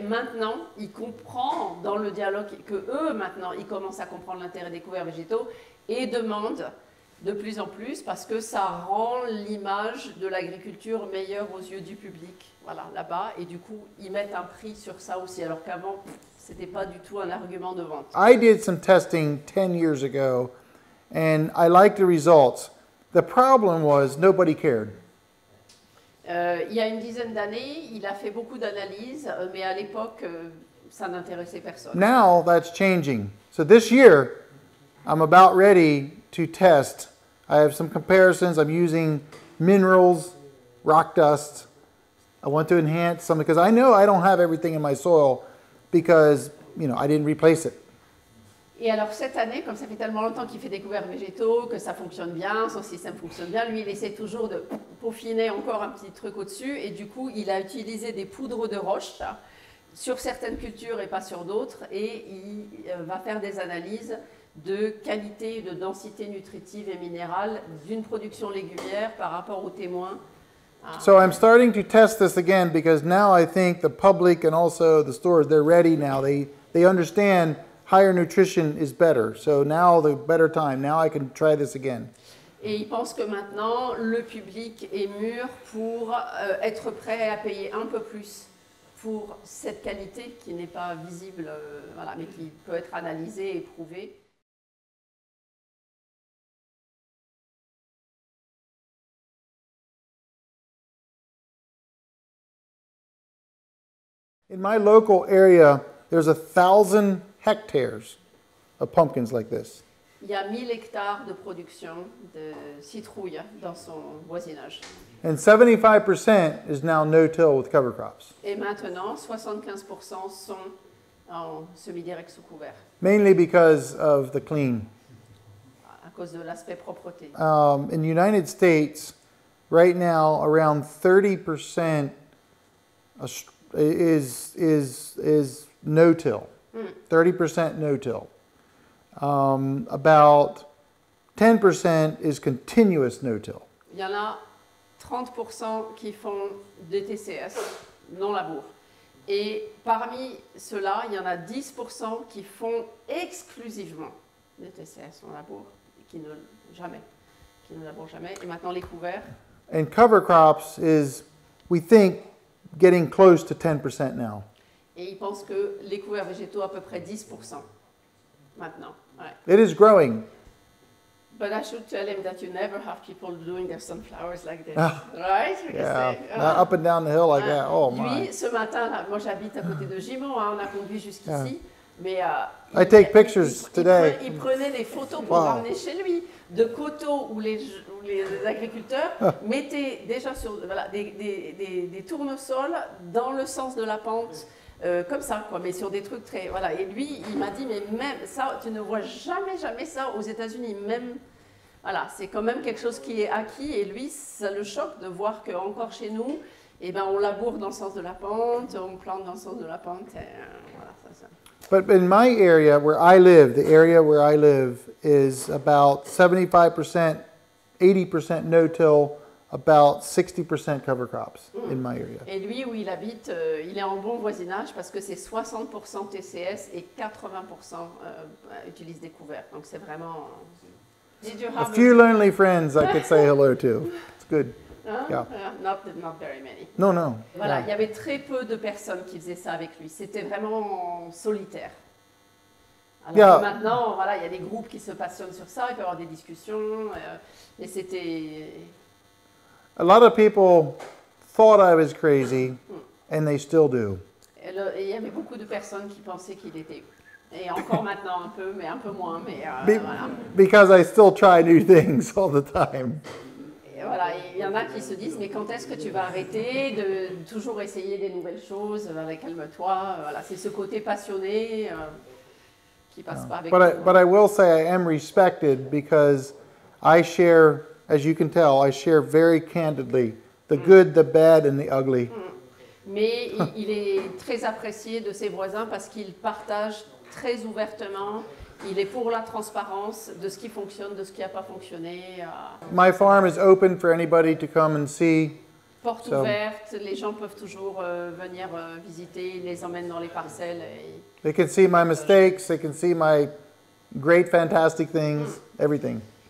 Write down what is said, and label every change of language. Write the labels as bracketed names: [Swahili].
[French] Maintenant, ils comprennent dans le dialogue que eux, maintenant, ils commencent à comprendre l'intérêt des couverts végétaux et demandent de plus en plus parce que ça rend l'image de l'agriculture meilleure aux yeux du public. Voilà, là-bas, et du coup, ils mettent un prix sur ça aussi, alors qu'avant, c'était pas du tout un argument de vente. [English] I did some testing 10 years ago, and I liked the results. The problem was, nobody cared. [French] Il y a une dizaine d'années, il a fait beaucoup d'analyses, mais à l'époque, ça n'intéressait personne. [English] Now, that's changing. So this year, I'm about ready to test. I have some comparisons. I'm using minerals, rock dust. I want to enhance some because I know I don't have everything in my soil because, you know, I didn't replace it. [French] Et alors cette année, comme ça fait tellement longtemps qu'il fait des couverts végétaux, que ça fonctionne bien, son système fonctionne bien, lui, il essaie toujours de peaufiner encore un petit truc au-dessus et du coup, il a utilisé des poudres de roche là, sur certaines cultures et pas sur d'autres et il va faire des analyses de qualité, de densité nutritive et minérale d'une production légumière par rapport aux témoins. [English] So I'm starting to test this again because now I think the public and also the stores, they're ready now. They understand higher nutrition is better. So now the better time. Now I can try this again. [French] Et ils pensent que maintenant le public est mûr pour être prêt à payer un peu plus pour cette qualité qui n'est pas visible, voilà, mais qui peut être analysée et prouvée. [English] In my local area, there's 1,000 hectares of pumpkins like this. [French] Il y a 1,000 hectares de production de citrouilles dans son voisinage. [English] And 75% is now no-till with cover crops. [French] Et maintenant, 75% sont en semi-direct sous couvert. [English] Mainly because of the clean. [French] À cause de l'aspect propreté. [English] In the United States, right now, around 30% is no-till, 30% no-till. About 10% is continuous no-till. [French] Il y en a 30% qui font des TCS, non-labour. Et parmi ceux-là, il y en a 10% qui font exclusivement des TCS, non-labour, qui ne labourent jamais. Et maintenant, les couverts. [English] And cover crops is, we think, getting close to 10% now. [French] Et ils pensent que les couverts végétaux à peu près 10% maintenant. Ouais. [English] It is growing. But I should tell him that you never have people doing their sunflowers like this, right? Yeah, up and down the hill like that. Oh my. [French] Lui, ce matin, là, moi j'habite à côté de Gimont, hein, on a conduit jusqu'ici, mais [English] I take pictures today. [French] Il prenait des photos pour ramener chez lui de coteaux où les agriculteurs mettaient déjà sur des tournesols dans le sens de la pente comme ça quoi, mais sur des trucs très voilà. Et lui, il m'a dit mais même ça, tu ne vois jamais ça aux États-Unis, même Voilà, c'est quand même quelque chose qui est acquis. Et lui, ça le choque de voir qu'encore chez nous, eh ben, on laboure dans le sens de la pente, on plante dans le sens de la pente. Et, voilà, ça, ça. [English] But in my area where I live, the area where I live is about 75%, 80% no-till, about 60% cover crops in my area. [French] Et lui, où il habite, il est en bon voisinage parce que c'est 60% TCS et 80% utilise des couverts. Donc c'est vraiment... [English] A few lonely friends I could say hello to. It's good. Not very many. No, no. [French] Voilà, il y avait très peu de personnes qui faisaient ça avec lui. C'était vraiment solitaire. Alors yeah. Maintenant, voilà, il y a des groupes qui se passionnent sur ça, il peut y avoir des discussions, mais c'était... [English] A lot of people thought I was crazy, and they still do. [French] Il y avait beaucoup de personnes qui pensaient qu'il était... Et encore maintenant un peu moins, mais voilà. [English] Because I still try new things all the time. [French] Et voilà, il y en a qui se disent, mais quand est-ce que tu vas arrêter de toujours essayer des nouvelles choses, calme-toi, voilà, c'est ce côté passionné qui passe pas avec but moi. [English] But I will say I am respected because I share, as you can tell, I share very candidly the good, the bad and the ugly. [French] Mais il est très apprécié de ses voisins parce qu'il partage très ouvertement, il est pour la transparence de ce qui fonctionne, de ce qui n'a pas fonctionné. [English] My farm is open for anybody to come and see. [French] Porte ouverte, les gens peuvent toujours venir visiter, ils les emmènent dans les parcelles. [English] They can see my mistakes, they can see my great fantastic things, everything.